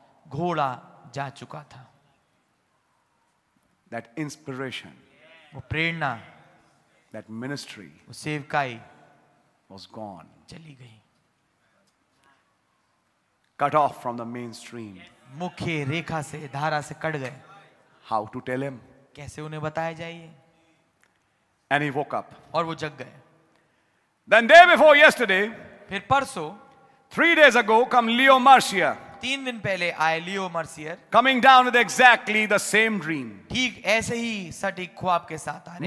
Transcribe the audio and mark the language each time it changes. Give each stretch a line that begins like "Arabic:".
Hindi: घोड़ा जा चुका था.
English: That inspiration.
Hindi: वो प्रेरणा.
English: That ministry.
Hindi: वो सेवकाई.
English: Was gone.
Hindi: चली गई.
English: Cut off from the mainstream.
Hindi: मुख्य रेखा से धारा से कट गए.
English: How to tell him?
Hindi: कैसे उन्हें बताया जाइए?
English: And he woke up.
Hindi: और वो जग गए.
English: Then day before yesterday.
Hindi: फिर परसों.
English: 3 days ago, come Leo Mercier.
Hindi: 3 दिन पहले आए Leo Mercier.
English: Coming down with exactly the same dream.
Hindi: ठीक ऐसे ही सटीक ख्वाब के साथ आए.